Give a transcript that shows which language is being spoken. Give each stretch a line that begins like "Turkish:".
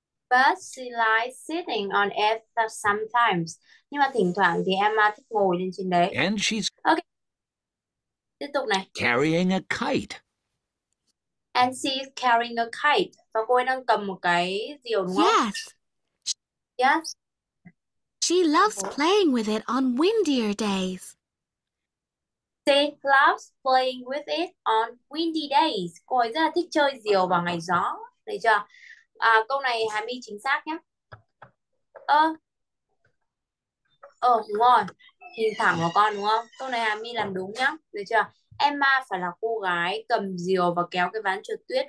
English: But she likes sitting on it sometimes.
Vietnamese: Nhưng mà thỉnh thoảng thì Emma thích ngồi lên trên đấy.
English: And she's...
Vietnamese: Okay. Tiếp tục này.
English: Carrying a kite. And she's carrying a kite.
Vietnamese: Và cô ấy đang cầm một cái diều đúng không?
English: Yes. Yes. She loves playing with it on windier days. She loves playing with it on windy days.
Vietnamese: Cô ấy rất là thích chơi diều vào ngày gió. Đấy chưa? À, câu này Hà My chính xác nhé. Đúng rồi. Nhìn thẳng vào con đúng không? Câu này Hà My làm đúng nhé. Được chưa? Emma phải là cô gái cầm diều và kéo cái ván trượt tuyết.